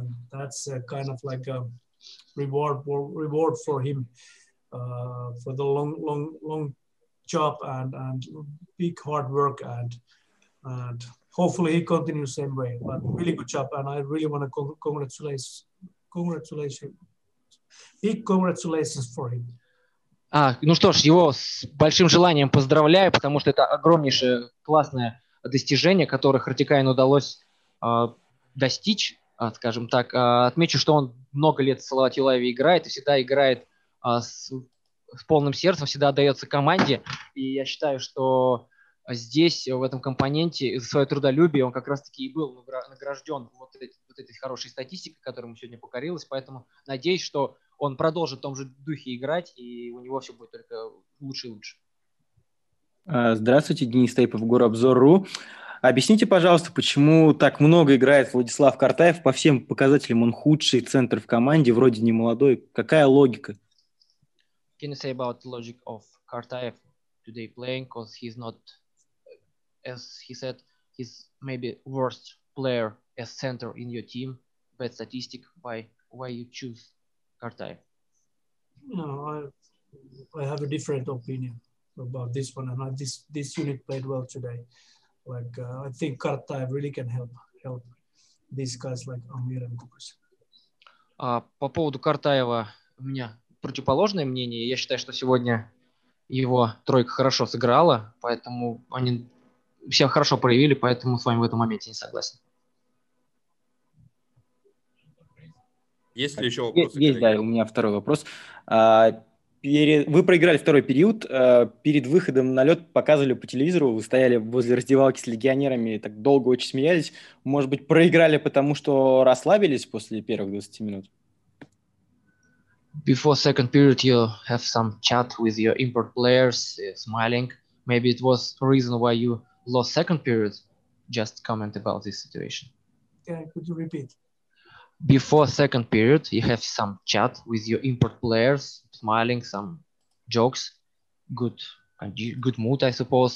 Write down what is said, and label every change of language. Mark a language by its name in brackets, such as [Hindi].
[English] That's kind of like a reward for him for the long, long, long job and big hard work and hopefully he continues same way. But really good job, and I really want to congratulations for him. [Russian] Ну что ж, его с большим желанием поздравляю, потому что это огромнейшее классное достижение, которое Хартикайну удалось достичь. Скажем так, отмечу, что он много лет в Салават Юлаеве играет и всегда играет с полным сердцем, всегда отдается команде. И я считаю, что здесь, в этом компоненте, за свое трудолюбие он как раз-таки и был награжден вот этой хорошей статистикой, которая ему сегодня покорилась. Поэтому надеюсь, что он продолжит в том же духе играть, и у него все будет только лучше и лучше. Здравствуйте, Денис Тейпов, Горобзор.ру. Объясните, пожалуйста, почему так много играет Владислав Картаев? По всем показателям он худший центр в команде, вроде не молодой. Какая логика? [English] Can you say about logic of Kartaev today playing? Because he's not, as he said, he's maybe worst player as center in your team. Bad statistic. Why you choose Kartaev? No, I have a different opinion about this one. And this unit played well today. Like I think Kartaev really can help these guys like Amir and Kukas. [Russian] По поводу Картаева у меня противоположное мнение. Я считаю, что сегодня его тройка хорошо сыграла, поэтому они себя хорошо проявили, поэтому с вами в этом моменте не согласен. Есть ли еще вопросы? Есть, да, у меня второй вопрос. Вы проиграли второй период, перед выходом на лед показывали по телевизору, вы стояли возле раздевалки с легионерами и так долго очень смеялись. Может быть, проиграли, потому что расслабились после первых 20 минут? [English] Before second period you have some chat with your import players, smiling. Maybe it was reason why you lost second period. Just comment about this situation. Yeah, could you repeat? Before second period you have some chat with your import players, smiling, some jokes, good mood, I suppose.